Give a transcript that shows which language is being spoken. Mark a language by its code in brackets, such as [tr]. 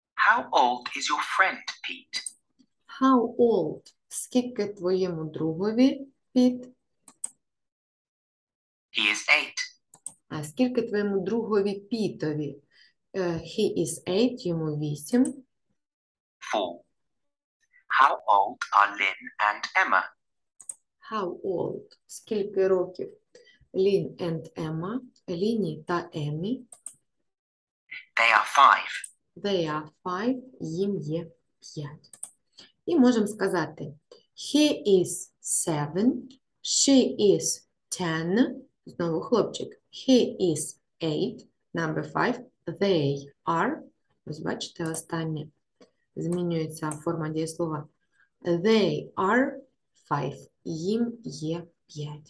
[en] How old is your friend, Pete? How old? [uk] Скільки твоєму другові, Піт? [en] He is 8. [uk] А скільки твоєму другові, Пітові? [en] He is 8, [uk] йому 8. [en] 4. How old are Lynn and Emma? How old? [uk] Скільки років? [en] Lynn and Emma. [uk] Ліні та Еммі. [en] They are 5. They are 5. [uk] Їм є 5. І можемо сказати... [en] He is 7, she is 10, [uk] знову хлопчик. [en] He is 8, number 5, they are, [uk] ось бачите останнє, змінюється форма дієслова. [en] They are 5, [uk] їм є 5.